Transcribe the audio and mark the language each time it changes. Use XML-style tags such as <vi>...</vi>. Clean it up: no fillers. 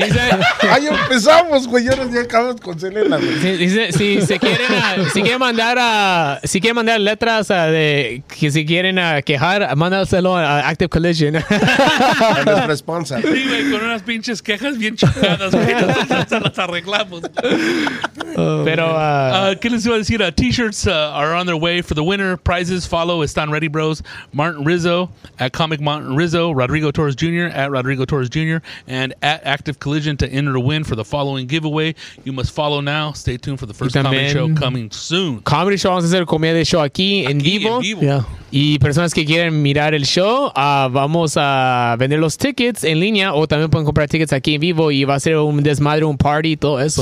<es>ahí empezamos, güey. Ya nos acabamos con Selena, güey. Si quieren mandar letras de que si quieren quejar, mándaselo a Active Collision. A nuestro sponsor. Sí, güey, con unas pinches quejas bien chingadas, güey. Las arreglamos. ¿Qué les iba a decir?</es> <en>T-shirts are on their way for the winner. Prizes follow Están Ready Bros. Martin Rizzo at Comic Martin Rizzo. Rodrigo Torres Jr. at Rodrigo Torres Jr. And at Active Collision to enter to win for the following giveaway. You must follow now. Stay tuned for the first comedy show coming soon. Comedy show.</en> <es>Vamos a hacer comedy show aquí en vivo.</es> <en>Yeah.</en> <es>Y personas que quieren mirar el show, vamos a vender los tickets en línea o también pueden comprar tickets aquí en vivo y va a ser un desmadre, un party, todo eso.</es>